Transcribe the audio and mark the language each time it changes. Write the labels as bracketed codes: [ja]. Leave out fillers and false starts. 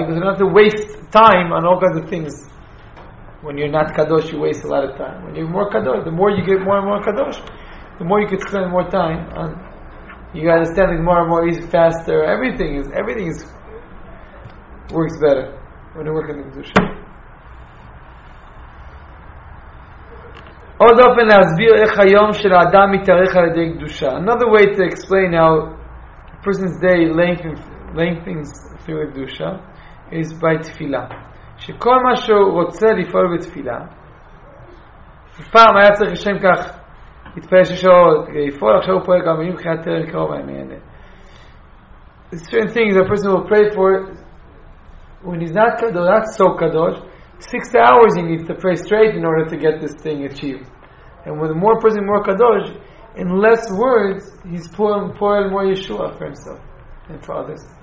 [en] Because you don't have to waste time on all kinds of things. When you're not Kadosh, you waste a lot of time. When you're more Kadosh, the more you get more and more Kadosh, the more you can spend more time on. You understand it more and more, easy, faster. Everything works better when you work in the Kedusha. [he] עוד אופן להסביר איך היום של האדם מתארך על ידי קדושה. [en] Another way to explain how a person's day lengthens through קדושה is by תפילה. [he] שכל מה שהוא רוצה לפעול בתפילה, פעם היה צריך לשם כך התפלל שש שעות, יפעול, עכשיו הוא פועל גם מבחינת טרם קרוב, אני אענה. [en] Certain things a person will pray for when he's not kadosh, not so kadosh, 6 hours he needs to pray straight in order to get this thing achieved. And with more person, more kadosh, in less words, he's pouring more Yeshua for himself and for others.